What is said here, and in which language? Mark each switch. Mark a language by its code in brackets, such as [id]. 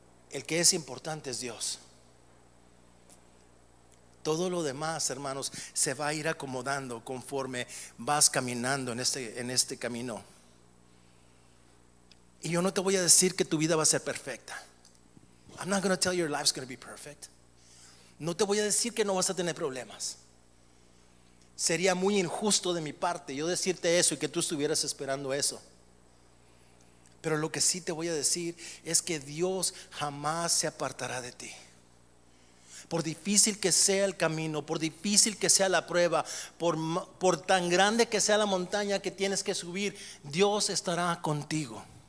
[es] El que es importante es Dios. Todo lo demás, hermanos, se va a ir acomodando conforme vas caminando en este camino. Y yo no te voy a decir que tu vida va a ser perfecta. [en] I'm not going to tell you your life's going to be perfect. [es] No te voy a decir que no vas a tener problemas. Sería muy injusto de mi parte yo decirte eso y que tú estuvieras esperando eso. Pero lo que sí te voy a decir es que Dios jamás se apartará de ti. Por difícil que sea el camino, por difícil que sea la prueba, por tan grande que sea la montaña que tienes que subir, Dios estará contigo.